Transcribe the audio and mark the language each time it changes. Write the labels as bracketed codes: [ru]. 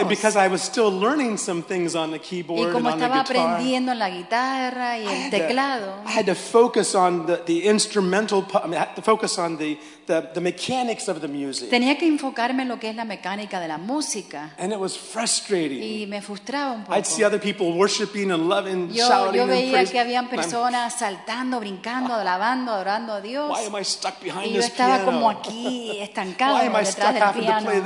[en] And because I was still learning some things on the keyboard [es] Y como estaba aprendiendo en la guitarra y el teclado. [en] I had to focus on the instrumental part, I had to focus on the mechanics of the music. [es] Tenía que enfocarme en lo que es la mecánica de la música. [en] And it was frustrating. [es] Y me frustraba un poco. [en] I'd see other people worshiping and loving, shouting. [es] Yo veía que habían personas saltando, brincando, alabando, adorando a Dios. [en] Why am I stuck behind this [es] piano? Y yo estaba como aquí estancado detrás del piano.